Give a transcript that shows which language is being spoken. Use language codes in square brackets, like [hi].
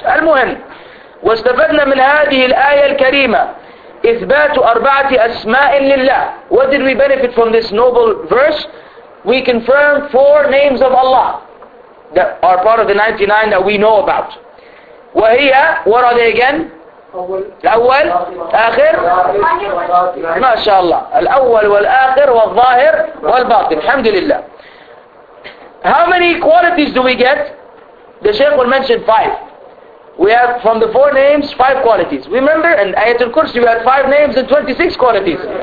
[ar] المهم, وَاسْتَفَدْنَا مِنْ هَذِهِ الْآيَةِ الْكَرِيمَةِ إثبات أربعة أسماء لله. [en] What did we benefit from this noble verse? We confirmed four names of Allah that are part of the 99 that we know about. وهي, what are they again? [ar] الأول آخر. ما شاء الله. الأول والآخر والظاهر والباطن. الحمد لله. [en] How many qualities do we get? The Shaykh will mention five. We have from the four names, five qualities. Remember in Ayatul Kursi we had five names and 26 qualities.